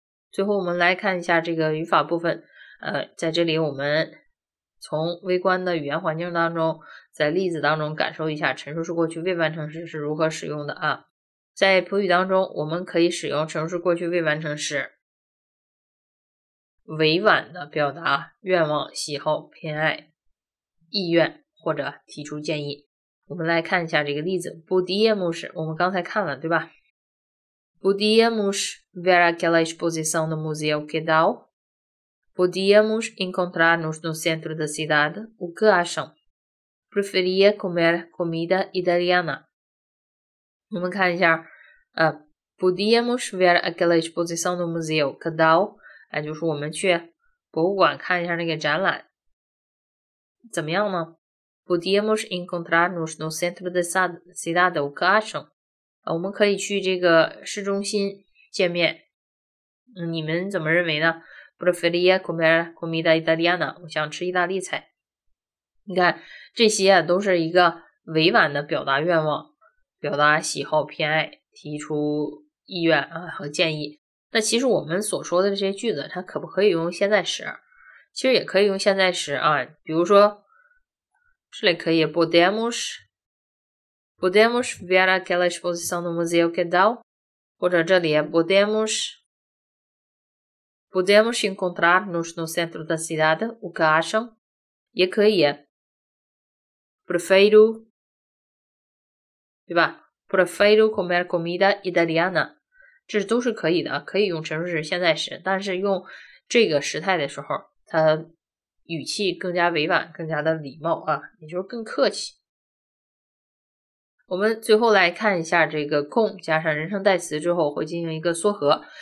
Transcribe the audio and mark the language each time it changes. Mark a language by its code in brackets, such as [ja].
[zh] 最后我们来看一下这个语法部分。在这里我们从微观的语言环境当中，在例子当中感受一下陈述式过去未完成时是如何使用的啊。在普语当中，我们可以使用陈述式过去未完成时委婉的表达愿望、喜好、偏爱、意愿或者提出建议。我们来看一下这个例子。 [pt] Podíamos, [zh] 我们刚才看了对吧 [pt] ?Podíamos ver aquela exposição no Museu Quedal? Podíamos encontrar-nos no centro da cidade? O que acham? Preferia comer comida italiana. [zh] 我们看一下 [pt] Podíamos ver aquela exposição no Museu Quedal? [zh] 就是我们去博物馆看一下那个展览。怎么样呢？ [pt] Podíamos encontrar-nos no centro da cidade, o que acham? [zh] 我们可以去这个市中心见面。你们怎么认为呢 ? [pt] Preferia comer comida italiana, [zh] 我想吃意大利菜。你看这些啊都是一个委婉的表达愿望，表达喜好偏爱，提出意愿啊和建议。那其实我们所说的这些句子它可不可以用现在时？其实也可以用现在时啊，比如说这里可以 [pt] Podemos ver aquela exposição no Museu Quedal? [zh] 或者这里 [pt] Podemos encontrar-nos no centro da cidade? O que acham? [zh] 也可以 [pt] Prefiro [zh] 对吧 [pt] Prefiro comer comida italiana? [zh] 这都是可以的，可以用陈述式现在时，但是用这个时态的时候它语气更加委婉，更加的礼貌啊，也就是更客气。我们最后来看一下这个 con 加上人称代词之后会进行一个缩合。